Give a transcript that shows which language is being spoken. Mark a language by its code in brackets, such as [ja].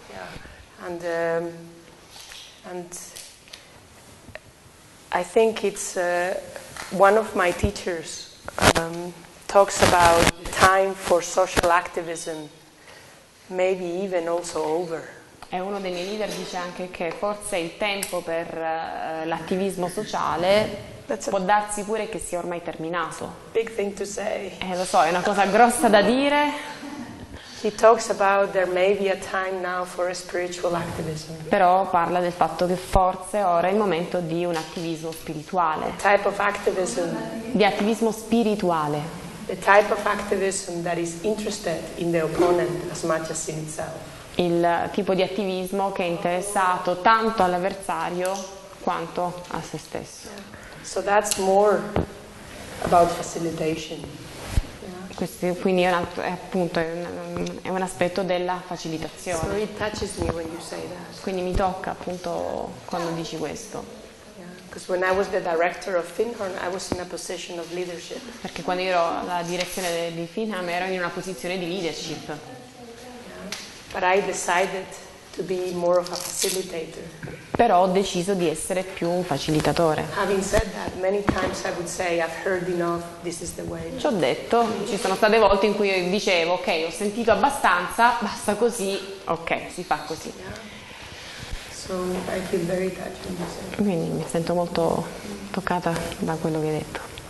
[en] Yeah. And I think it's one of my teachers talks about the time for social activism, maybe even also over. [it] E uno dei miei leader dice anche che forse il tempo per l'attivismo sociale può darsi pure che sia ormai terminato. [en] Big thing to say. [it] Lo so, è una cosa grossa da dire. [en] He talks about there may be a time now for a spiritual activism. [it] Però parla del fatto che forse ora è il momento di un attivismo spirituale. [en] The type of activism. [it] Di attivismo spirituale. [en] The type of activism that is interested in the opponent as much as in itself. [it] Il tipo di attivismo che è interessato tanto all'avversario quanto a se stesso. [en] So that's more about facilitation. Yeah. [it] Questo quindi è un aspetto della facilitazione. [en] So it touches me when you say that. [it] Quindi mi tocca appunto quando dici questo. [en] Because when I was the director of Finhorn, I was in a position of leadership. [it] Perché quando ero alla direzione di Finhorn ero in una posizione di leadership. [en] But I decided to be more of a facilitator. [it] Però ho deciso di essere più un facilitatore. [en] Having said that, many times I would say I've heard enough, this is the way. [it] Ci ho detto, ci sono state volte in cui io dicevo ok, ho sentito abbastanza, basta così, ok, si fa così. [en] So I feel very touched. [it] Quindi mi sento molto toccata da quello che hai detto.